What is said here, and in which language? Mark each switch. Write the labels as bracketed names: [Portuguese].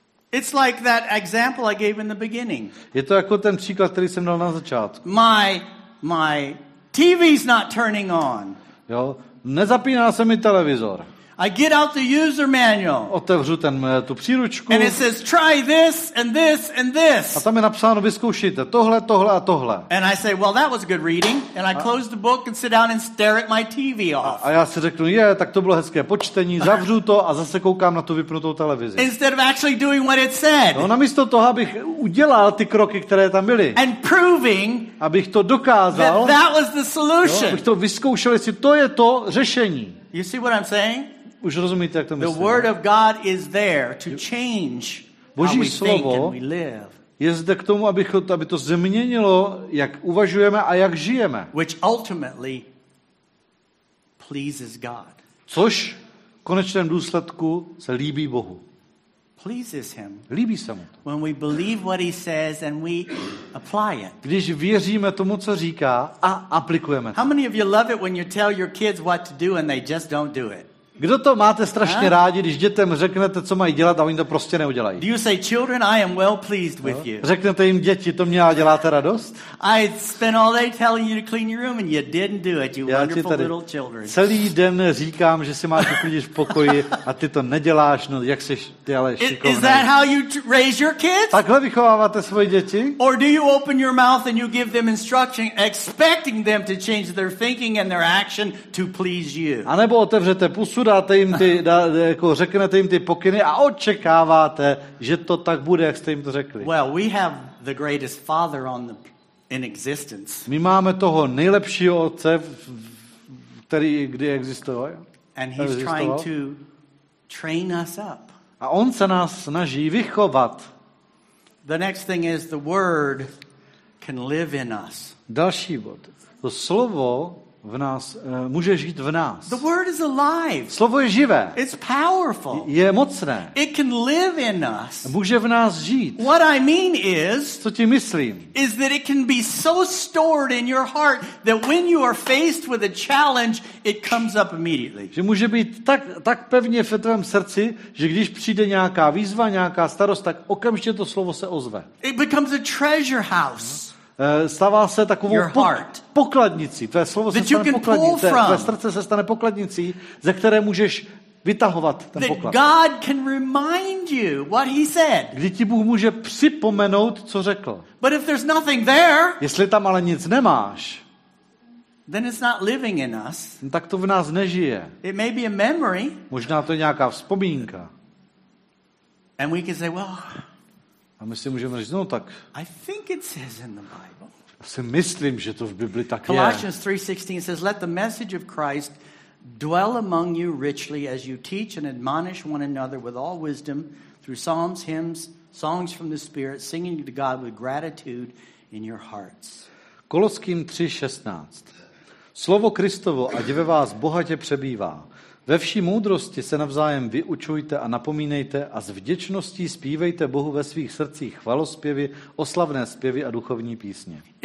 [English] It's like that example I gave in the beginning. [Czech] Je to jako ten příklad, který jsem dal na začátku. [English] My TV's not turning on. [Czech] Jo. Nezapíná se mi televizor. [English] I get out the user manual. [Czech] Otevřu tu příručku. [English] And it says try this and this and this. [Czech] A tam je napsáno vyzkoušejte tohle, tohle a tohle. [English] And I say, well, that was good reading, and I close the book and sit down and stare at my TV off. [Czech] A já si řeknu, je, tak to bylo hezké počtení, zavřu to a zase koukám na tu vypnutou televizi. [English] Instead of actually doing what it said. [Czech] No, namísto toho, abych udělal ty kroky, které tam byly. [English] And proving. [Czech] Abych to dokázal. [English] That was the solution. [Czech] Abych to vyzkoušel, jestli to je to řešení. [English] You see what I'm saying? [Czech] Už rozumíte, jak to myslím. [English] The word of God is there to change [Czech] Boží [English] how we [Czech] slovo [English] think and we live. [Czech] Je zde k tomu, aby to změnilo, jak uvažujeme a jak žijeme. [English] Which ultimately pleases God. [Czech] Což v konečném důsledku se líbí Bohu. [English] Pleases him. [Czech] Líbí se mu. [English] When we believe what he says and we apply it. [Czech] Když věříme tomu, co říká a aplikujeme to. [English] How many of you love it when you tell your kids what to do and they just don't do it? [Czech] Kdo to máte strašně rádi, když dětem řeknete, co mají dělat, a oni to prostě neudělají? [English] Do you say, children, I am well pleased with you. [Czech] Řeknete jim děti, to mě děláte radost? [English] I spent all day telling you to clean your room and you didn't do it, you wonderful little children. [Czech] Celý den říkám, že si máš uklidit v pokoji a ty to neděláš, no jak jsi ty ale šikovný. [English] Is that how you raise your kids? [Czech] Takhle vychováváte svoje děti? [English] Or do you open your mouth and you give them instruction, expecting them to change their thinking and their action to please you? [Czech] A nebo otevřete pusu, dáte jim řeknete jim ty pokyny a očekáváte, že to tak bude, jak jste jim to řekli. [English] Well, we have the greatest father on the, in existence. [Czech] My máme toho nejlepšího otce, který kdy existoval. [English] And he's trying to train us up. [Czech] A on se nás snaží vychovat. [English] The next thing is the word can live in us. [Czech] Další bod. To slovo v nás, může žít v nás. [English] The word is alive. [Czech] Slovo je živé. [English] It's powerful. [Czech] Je mocné. [English] It can live in us. [Czech] Může v nás žít. [English] What I mean is, [Czech] co tím myslím, [English] is that it can be so stored in your heart that when you are faced with a challenge, it comes up immediately. [Czech] Že může být tak pevně v tvém srdci, že když přijde nějaká výzva, nějaká starost, tak okamžitě to slovo se ozve. [English] It becomes a treasure house. [Czech] Stává se takovou pokladnicí. To je slovo, se stane pokladnicí. Tvé srdce se stane pokladnicí, ze které můžeš vytahovat ten [English] that [Czech] poklad. [English] God can remind you what he said. [Czech] Kdy ti Bůh může připomenout, co řekl. [English] But if there's nothing there, [Czech] jestli tam ale nic nemáš, [English] then it's not living in us. [Czech] Tak to v nás nežije. [English] It may be a memory. [Czech] Možná to je nějaká vzpomínka. [English] And we can say, well, [Czech] a my si můžeme říct, no tak. [English] I think it says in the Bible. [Czech] Já si myslím, že to v Bibli tak Colossians je. [English] Colossians 3:16 says, let the message of Christ dwell among you richly as you teach and admonish one another with all wisdom through psalms, hymns, songs from the Spirit, singing to God with gratitude in your hearts. [Czech] Koloským 3:16. Slovo Kristovo, ať ve vás bohatě přebývá. Ve vší moudrosti se navzájem vyučujte a napomínejte a s vděčností zpívejte Bohu ve svých srdcích chvalospěvy, oslavné zpěvy a duchovní písně.